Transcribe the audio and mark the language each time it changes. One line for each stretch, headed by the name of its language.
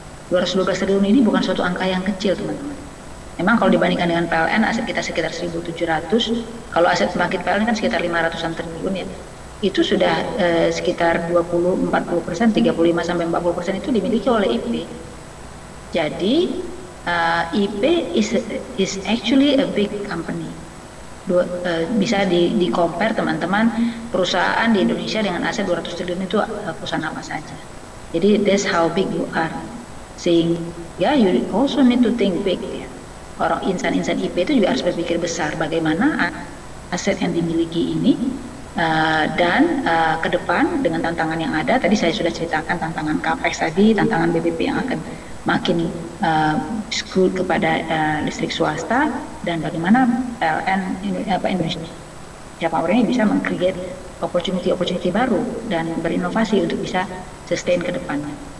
Indonesian: 212 triliun ini bukan suatu angka yang kecil, teman-teman. Memang kalau dibandingkan dengan PLN, aset kita sekitar 1.700, kalau aset pembangkit PLN kan sekitar 500-an triliun ya, itu sudah sekitar 20-40%, 35-40% itu dimiliki oleh IP. Jadi
English: IP is actually a big company.
Indonesian: Bisa di-compare teman-teman, perusahaan di Indonesia dengan aset 200 triliun itu perusahaan apa saja. Jadi
English: that's how big you are.
Indonesian: Sehingga
English: you also need to think big ya.
Indonesian: Orang insan-insan IP itu juga harus berpikir besar, bagaimana aset yang dimiliki ini Dan ke depan dengan tantangan yang ada, tadi saya sudah ceritakan tantangan CAPEX tadi, tantangan BPP yang akan makin skew kepada listrik swasta, dan bagaimana PLN Indonesia Power ini bisa meng-create opportunity-opportunity baru dan berinovasi untuk bisa sustain ke depannya.